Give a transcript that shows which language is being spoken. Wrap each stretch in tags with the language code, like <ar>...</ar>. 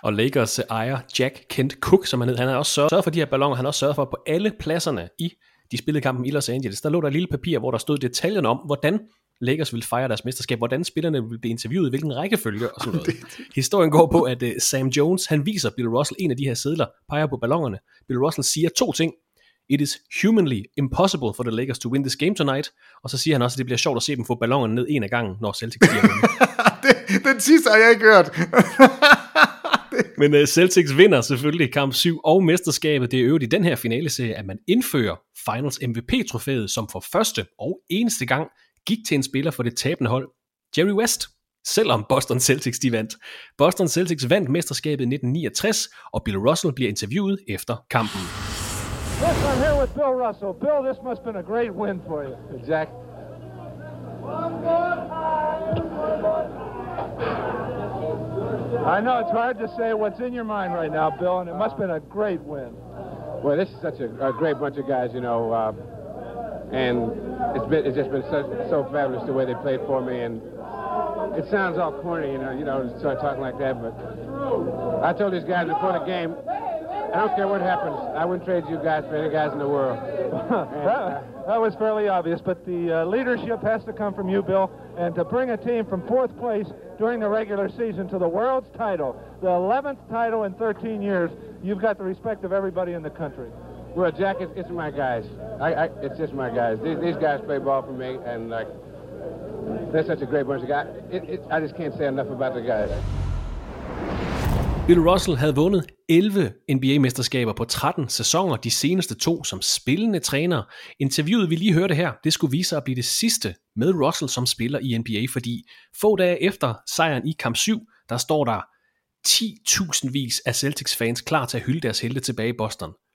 <da>Og Lakers ejer Jack Kent Cook, som han hed, han har også sørget for de her balloner. Han har også sørget for på alle pladserne i de spillede kampen i Los Angeles. Der lå der et lille papir, hvor der stod detaljen om, hvordan Lakers ville fejre deres mesterskab, hvordan spillerne ville blive interviewet, i hvilken rækkefølge og sådan noget. Historien går på, at Sam Jones, han viser Bill Russell en af de her sedler, peger på ballongerne. Bill Russell siger to ting.</da> <en>It is humanly impossible for the Lakers to win this game tonight.</en> <da>Og så siger han også, at det bliver sjovt at se dem få ballongerne ned en af gangen, når Celtics bliver vundet. Den sidste har jeg ikke hørt. Men Celtics vinder selvfølgelig kamp 7 og mesterskabet. Det er øvrigt i den her finaleserie, at man indfører Finals MVP-trofæet, som for første og eneste gang gik til en spiller for det tabende hold, Jerry West, selvom Boston Celtics de vandt. Boston Celtics vandt mesterskabet i 1969, og Bill Russell bliver interviewet efter kampen.</da> <en>Yes, I'm here with Bill Russell. Bill, this must have been a great win for you. Jack. I know, it's hard to say what's in your mind right now, Bill, and it must have been a great win. Well, this is such a great bunch of guys, you know, and it's just been so fabulous the way they played for me, and it sounds all corny, you know, start talking like that, but I told these guys before the game, I don't care what happens, I wouldn't trade you guys for any guys in the world. that was fairly obvious, but the leadership has to come from you, Bill, and to bring a team from fourth place during the regular season to the world's title, the 11th title in 13 years, you've got the respect of everybody in the country. Well, Jack, it's my guys. It's just my guys. These guys play ball for me, and like, they're such a great bunch of guys. I just can't say enough about the guys.</en> <da>Bill Russell havde vundet 11 NBA-mesterskaber på 13 sæsoner, de seneste to som spillende træner. Interviewet, vi lige hørte her, det skulle vise sig at blive det sidste med Russell som spiller i NBA, fordi få dage efter sejren i kamp 7, der står der 10.000 vis af Celtics-fans klar til at hylde deres helte tilbage i Boston.</da>